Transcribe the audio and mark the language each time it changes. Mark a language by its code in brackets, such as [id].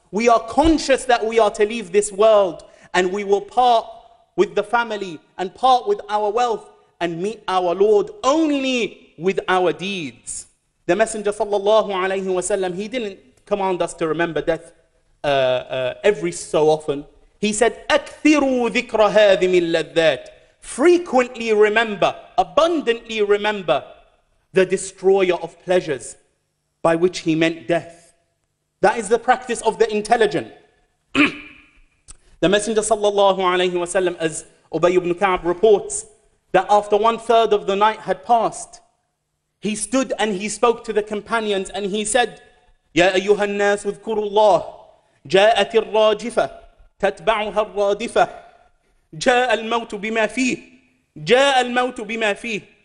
[en] We are conscious that we are to leave this world, and we will part with the family and part with our wealth and meet our Lord only with our deeds. The Messenger sallallahu alayhi wa sallam, he didn't command us to remember death every so often. [ar] He said, أَكْثِرُوا ذِكْرَ هَذِ مِنْ لَذَّاتِ. [en] Frequently remember, abundantly remember the destroyer of pleasures, by which he meant death. That is the practice of the intelligent. The Messenger sallallahu alayhi wa sallam, as Ubay ibn Ka'b reports, that after one third of the night had passed, he stood and he spoke to the companions and he said, يَا أَيُّهَا النَّاسُ اذْكُرُوا اللَّهِ جَاءَتِ الرَّاجِفَةِ تَتْبَعُهَا الرَّادِفَةِ جَاءَ الْمَوْتُ بِمَا فِيهِ جَاءَ الْمَوْتُ بِمَا فِيهِ.